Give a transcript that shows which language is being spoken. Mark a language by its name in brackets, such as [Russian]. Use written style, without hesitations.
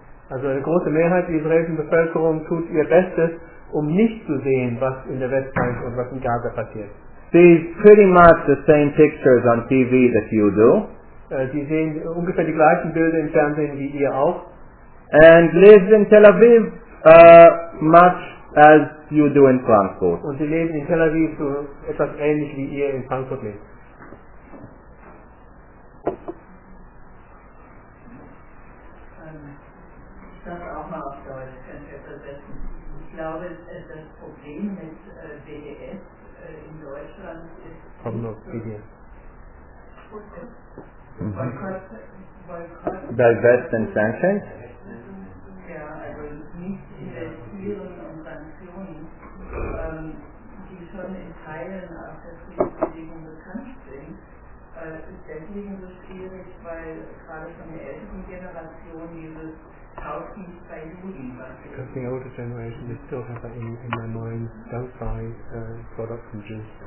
[German] Also eine große Mehrheit der israelischen Bevölkerung tut ihr Bestes, um nicht zu sehen, was in der Westbank und was in Gaza passiert. [English] Sees pretty much the same pictures on TV that you do. [German] Sie sehen ungefähr die gleichen Bilder im Fernsehen wie ihr auch. [English] And lives in Tel Aviv much as you do in Frankfurt. [German] Und sie leben in Tel Aviv so etwas ähnlich wie ihr in Frankfurt lebt. Ich darf auch mal auf Deutsch ganz übersetzen. Ich glaube, das Problem mit BDS in Deutschland ist [English] Divest and Sanctions? [German] Ja, also nicht investieren und Sanktionen, die schon in Teilen auf der Friedensbewegung bekannt sind. Es ist deswegen so schwierig, weil gerade von der älteren Generation dieses [English] because the older generation is still have that in their mind, don't buy products from Jews.